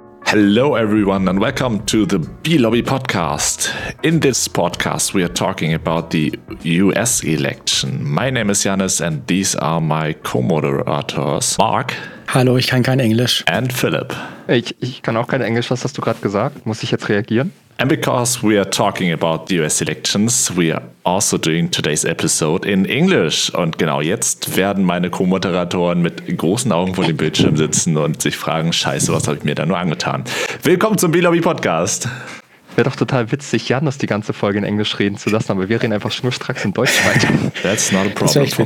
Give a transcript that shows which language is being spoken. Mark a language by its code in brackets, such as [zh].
[en] Hello everyone and welcome to the B-Lobby podcast. In this podcast we are talking about the US election. My name is Janis and these are my co-moderators, Mark. [de] Hallo, ich kann kein Englisch. [en] And Philip. [de] Ich kann auch kein Englisch, was hast du gerade gesagt? Muss ich jetzt reagieren? [en] And because we are talking about the US elections, we are also doing today's episode in English. [de] Und genau jetzt werden meine Co-Moderatoren mit großen Augen vor dem Bildschirm sitzen und sich fragen, scheiße, was habe ich mir da nur angetan? Willkommen zum B-Lobby Podcast. Wäre doch total witzig, Janus die ganze Folge in Englisch reden zu lassen, aber wir reden einfach schnurstracks in Deutsch weiter. [en] That's not a problem for